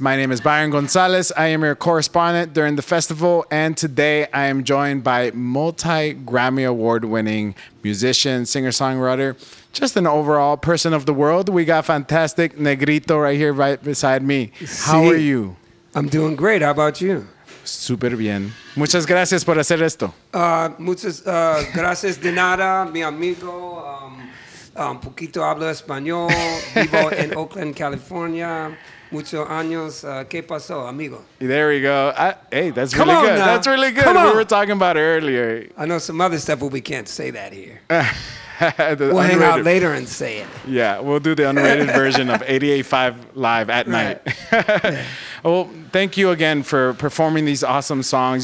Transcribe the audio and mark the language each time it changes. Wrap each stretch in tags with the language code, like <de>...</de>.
<en>My name is Byron Gonzalez. I am your correspondent during the festival. And today I am joined by multi-Grammy award-winning musician, singer-songwriter, just an overall person of the world. We got fantastic Negrito right here right beside me. How are you? I'm doing great. How about you?</en> <es>Super bien. Muchas gracias por hacer esto. Gracias de nada, mi amigo. Poquito hablo español, vivo en Oakland, California, muchos años. ¿Qué pasó, amigo?</es> <en>There we go. That's really good. Now. That's really good. We were talking about it earlier. I know some other stuff, but we can't say that here. We'll unrated. Hang out later and say it. Yeah, we'll do the unrated version of 88.5 Live at night. Yeah. Well, thank you again for performing these awesome songs.</en>